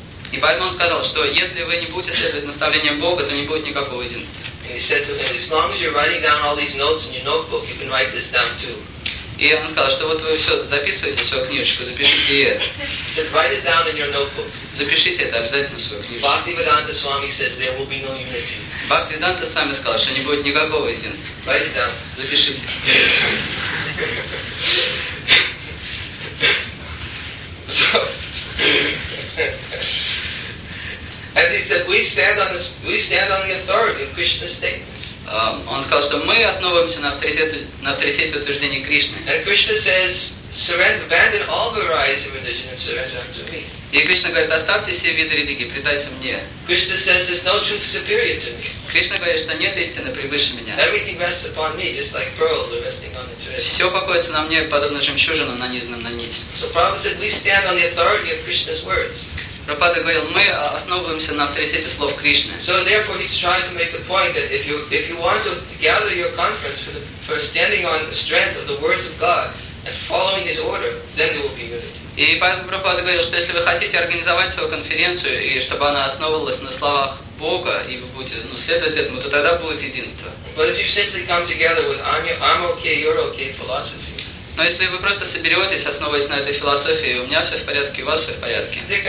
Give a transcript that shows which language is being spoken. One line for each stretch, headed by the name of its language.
Russian: И поэтому он сказал, что если вы не будете следовать наставлениям Бога, то не будет никакого единства.
English: And he said to him, as long as you're writing down all these notes in your notebook, you can write this down too.
Russian: И он сказал, что вот вы все записываете свою книжечку, запишите это.
English: He said, write it down in your notebook.
Russian: Запишите это обязательно в свою книжку.
English: Bhaktivedanta Swami says there will be no unity.
Russian: Bhaktivedanta Swami сказал, что не будет никакого единства.
English: Write it down.
Russian: Запишите.
English: And he said, we stand on the authority of Krishna's statements.
Russian: Он сказал, что мы основываемся на авторитете утверждений Кришны.
English: And Krishna says, surrender, abandon all varieties of religion and surrender unto me.
Russian: И Кришна говорит, оставьте все виды религии, предайте мне.
English: Krishna says, there's no truth superior to me.
Russian: Кришна говорит, что нет истины превыше меня.
English: Everything rests upon me, just like pearls are resting on the thread.
Russian: Все покоится на мне, подобно жемчужину, нанизанным на нить.
English: So Prabhupada said, we stand on the authority of Krishna's words.
Russian: Прабхупада говорил, мы основываемся на авторитете слов Кришны.
English: So therefore he's trying to make the point that if you want to gather your conference for standing on the strength of the words of God and following his order, then there will be unity.
Russian: И поэтому Прабхупада говорил, что если вы хотите организовать свою конференцию и чтобы она основывалась на словах Бога, и вы будете следовать этому, то тогда будет единство.
English: But if you simply come together with I'm okay, you're okay philosophy.
Russian: Но если вы просто соберетесь, основываясь на этой философии, у меня все в порядке, у вас все в порядке,